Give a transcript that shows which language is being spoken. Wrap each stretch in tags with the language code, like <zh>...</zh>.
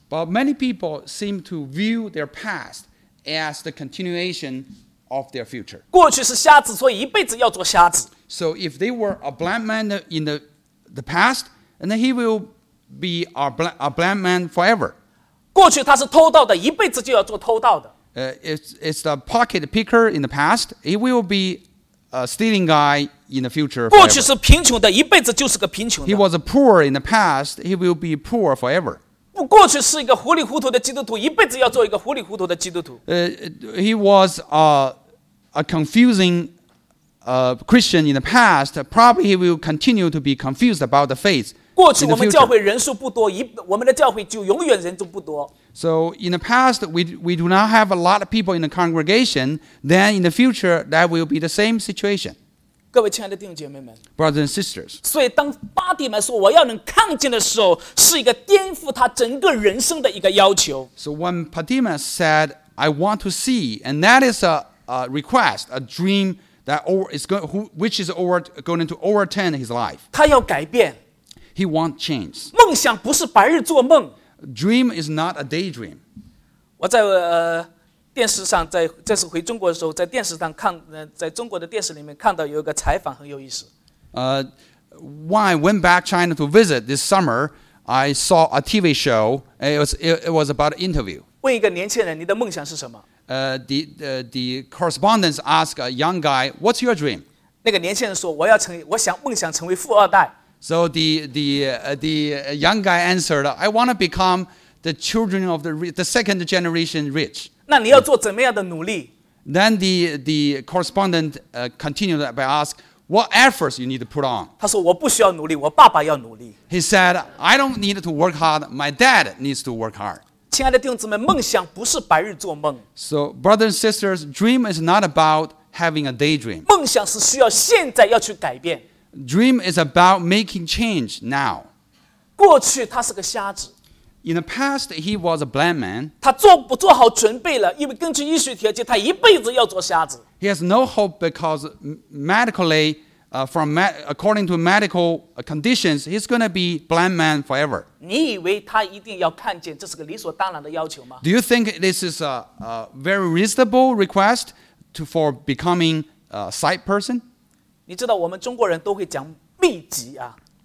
<en>But many people seem to view their past as the continuation of their future.</en> <zh>过去是瞎子，所以一辈子要做瞎子。</zh> <en>So if they were a blind man in the past, and then he will be a blind man forever.</en> <zh>过去他是偷盗的，一辈子就要做偷盗的。</zh> <en>It's the pocket picker in the past. He will bebe a stealing guy in the future.</en> <zh>过去是贫穷的，一辈子就是个贫穷的。</zh> <en>He was poor in the past. He will be poor forever.</en> <zh>过去是一个糊里糊涂的基督徒，一辈子要做一个糊里糊涂的基督徒。</zh> <en>He was a confusing Christian in the past. Probably he will continue to be confused about the faith.</en> <zh>过去我们教会人数不多，我们的教会就永远人数不多。</zh> <en>So in the past, we do not have a lot of people in the congregation. Then in the future, that will be the same situation.</en> <zh>各位亲爱的弟兄姐妹们</zh> <en>Brothers and sisters</en> <zh>所以当巴底们说我要能看见的时候是一个颠覆他整个人生的一个要求</zh> <en>So when Padima said I want to see and that is a request a dream that over, is going, who, which is over, going to overturn his life</en> <zh>他要改变</zh> <en>He wants change</en> <zh>梦想不是白日做梦</zh> <en>Dream is not a daydream</en> <zh>我在电视上在这次回中国的时候在电视上看在中国的电视里面看到有一个采访很有意思。</zh> <en>When I went back China to visit this summer, I saw a TV show, and it was about an interview.</en> <zh>问一个年轻人你的梦想是什么?</zh> <en>The correspondents asked a young guy, what's your dream?</en> <zh>那个年轻人说我要成我想梦想成为富二代。</zh> <en>So the young guy answered, I want to become the children of the second generation rich.</en> <zh>那你要做怎么样的努力</zh> <en>Then the correspondent continued by asking, what efforts you need to put on?</en> <zh>他说我不需要努力我爸爸要努力</zh> <en>He said, I don't need to work hard, my dad needs to work hard.</en> <zh>亲爱的弟兄姊妹梦想不是白日做梦</zh> <en>So, brothers and sisters, dream is not about having a daydream.</en> <zh>梦想是需要现在要去改变</zh> <en>Dream is about making change now.</en> <zh>过去他是个瞎子</zh> <en>In the past, he was a blind man.</en> <zh>他做不做好准备了，因为根据医学条件，他一辈子要做瞎子。</zh> <en>He has no hope because medically, according to medical conditions, he's going to be blind man forever.</en> <zh>你以为他一定要看见，这是个理所当然的要求吗？</zh> <en>Do you think this is a very reasonable request for becoming a sight person?</en> <zh>你知道我们中国人都会讲秘籍啊。</zh>